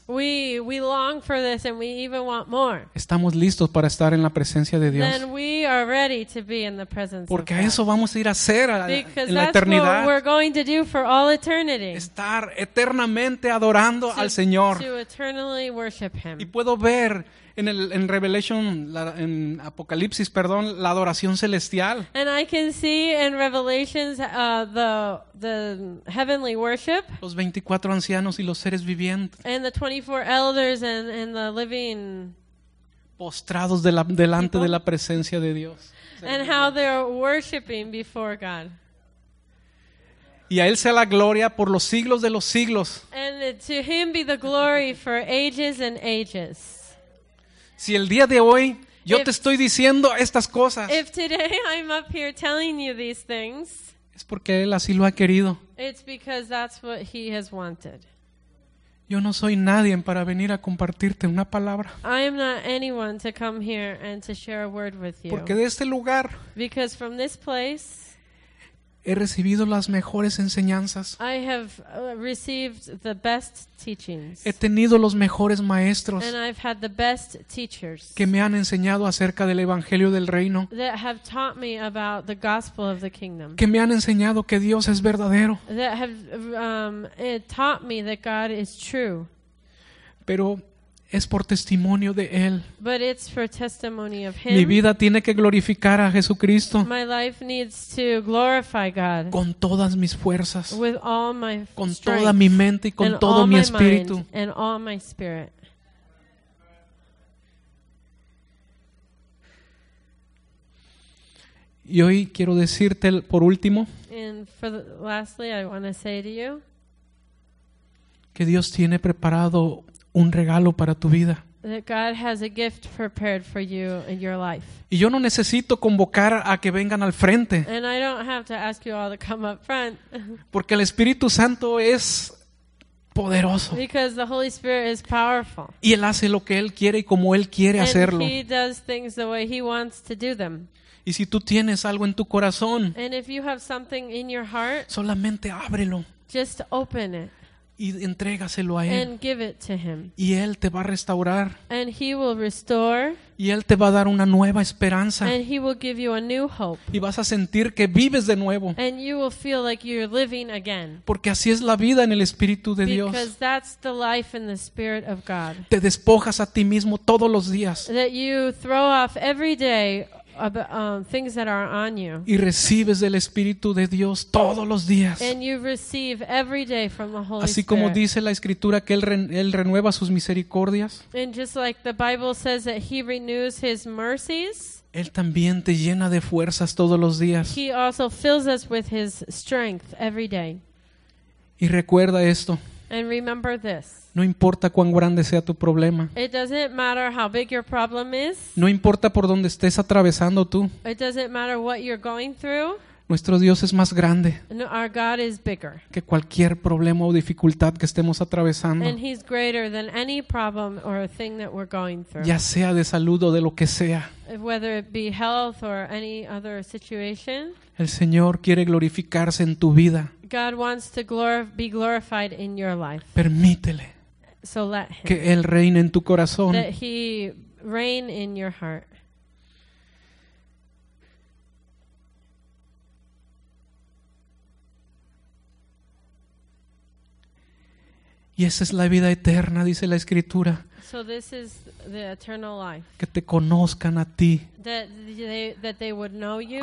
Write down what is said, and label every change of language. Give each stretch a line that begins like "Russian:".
English: We long for this and we even want more.
Spanish: Estamos listos para estar en la presencia de Dios.
English: Then we are ready to be in the presence.
Spanish: Porque
English: of God.
Spanish: A eso vamos a ir a hacer
English: Because
Spanish: en la eternidad.
English: That's what we're going to do for all eternity.
Spanish: Estar eternamente adorando al Señor.
English: To eternally worship Him.
Spanish: Y puedo ver en Revelation, en Apocalipsis, perdón, la adoración celestial.
English: And I can see in Revelations the heavenly worship.
Spanish: Los 24 ancianos y los seres vivientes.
English: And the 24 elders and the living.
Spanish: Postrados delante people. De la presencia de Dios.
English: And how they're worshiping before God.
Spanish: Y a Él sea la gloria por los siglos de los siglos.
English: And to Him be the glory for ages and ages.
Spanish: Si el día de hoy yo te estoy diciendo estas cosas,
English: if today I'm up here telling you these things,
Spanish: es porque Él así lo ha querido.
English: It's because that's what He has wanted.
Spanish: Yo no soy nadie para venir a compartirte una palabra.
English: I am not anyone to come here and to share a word with you.
Spanish: Porque de este lugar,
English: because from this place,
Spanish: he recibido las mejores enseñanzas.
English: I have received the best teachings.
Spanish: He tenido los mejores maestros.
English: And I've had the best teachers.
Spanish: Que me han enseñado acerca del evangelio del reino.
English: That have taught me about the gospel of the kingdom.
Spanish: Que me han enseñado que Dios es verdadero.
English: That have taught me that God is true.
Spanish: Pero es por testimonio de Él.
English: But it's for testimony of Him.
Spanish: Mi vida tiene que glorificar a Jesucristo.
English: My life needs to glorify God.
Spanish: Con todas mis fuerzas.
English: With all my
Spanish: con toda mi mente y con todo mi espíritu.
English: And all my spirit.
Spanish: Y hoy quiero decirte por último.
English: And for lastly, I want to say to you.
Spanish: Que Dios tiene preparado un regalo para tu vida.
English: That God has a gift prepared for you in your life.
Spanish: Y yo no necesito convocar a que vengan al frente.
English: And I don't have to ask you all to come up front.
Spanish: Porque el Espíritu Santo es poderoso.
English: Because the Holy Spirit is powerful.
Spanish: Y Él hace lo que Él quiere y como Él quiere
English: and
Spanish: hacerlo.
English: He does things the way He wants to do them.
Spanish: Y si tú tienes algo en tu corazón,
English: and if you have something in your heart,
Spanish: solamente ábrelo.
English: Just open it.
Spanish: Y entrégaselo a Él.
English: And give it to Him.
Spanish: Y Él te va a restaurar.
English: And He will restore.
Spanish: Y Él te va a dar una nueva esperanza.
English: And He will give you a new hope.
Spanish: Y vas a sentir que vives de nuevo.
English: And you will feel like you're living again.
Spanish: Porque así es la vida en el Espíritu de Dios.
English: Because that's the life in the Spirit of God.
Spanish: Te despojas a ti mismo todos los días.
English: That you throw off every day things that are on you.
Spanish: Y recibes del Espíritu de Dios todos los días.
English: And you receive every day from the Holy
Spanish: Así
English: Spirit.
Spanish: Como dice la Escritura que él renueva sus misericordias.
English: And just like the Bible says that He renews His mercies.
Spanish: Él también te llena de fuerzas todos los días.
English: He also fills us with His strength every day.
Spanish: Y recuerda esto.
English: And remember this.
Spanish: No importa cuán grande sea tu problema.
English: It doesn't matter how big your problem is.
Spanish: No importa por dónde estés atravesando tú.
English: It doesn't matter what you're going through.
Spanish: Nuestro Dios es más grande.
English: No, our God is bigger.
Spanish: Que cualquier problema o dificultad que estemos atravesando.
English: And He's greater than any problem or thing that we're going through.
Spanish: Ya sea de salud o de lo que sea.
English: Whether it be health or any other situation.
Spanish: El Señor quiere glorificarse en tu vida.
English: God wants to be glorified in your life.
Spanish: Permítele.
English: So let Him.
Spanish: Que Él reine en tu corazón.
English: That He reign in your heart.
Spanish: Y esa es la vida eterna, dice la Escritura.
English: So this is the eternal life.
Spanish: Que te conozcan a ti.
English: That they would know you.